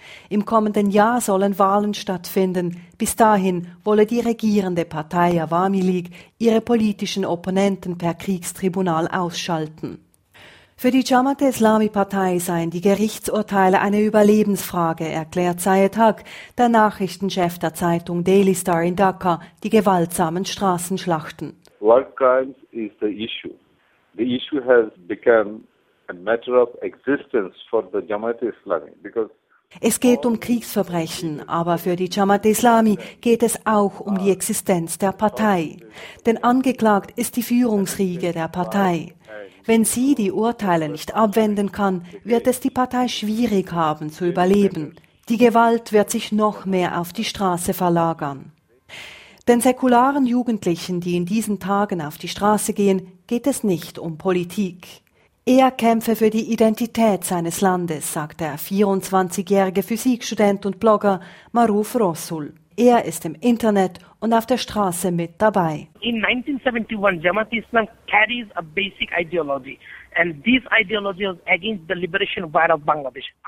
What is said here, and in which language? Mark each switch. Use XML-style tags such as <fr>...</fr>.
<de>Im kommenden Jahr sollen Wahlen stattfinden. Bis dahin wolle die regierende Partei Awami League ihre politischen Opponenten per Kriegstribunal ausschalten. Für die Jamaat-e-Islami-Partei seien die Gerichtsurteile eine Überlebensfrage, erklärt Syed Haq, der Nachrichtenchef der Zeitung Daily Star in Dhaka, die gewaltsamen Straßenschlachten.</de> <en>War crimes is the issue. The issue has become a matter of existence for the Jamaat-e-Islami because</en> <de>es geht um Kriegsverbrechen, aber für die Jamaat-e-Islami geht es auch um die Existenz der Partei. Denn angeklagt ist die Führungsriege der Partei. Wenn sie die Urteile nicht abwenden kann, wird es die Partei schwierig haben zu überleben. Die Gewalt wird sich noch mehr auf die Straße verlagern. Den säkularen Jugendlichen, die in diesen Tagen auf die Straße gehen, geht es nicht um Politik. Er kämpfe für die Identität seines Landes, sagt der 24-jährige Physikstudent und Blogger Maruf Rossul. Er ist im Internet und auf der Straße mit dabei.</de> <en>In 1971 Jamaat-e-Islam carries a basic ideology and this ideology is against the liberation war of Bangladesh.</en>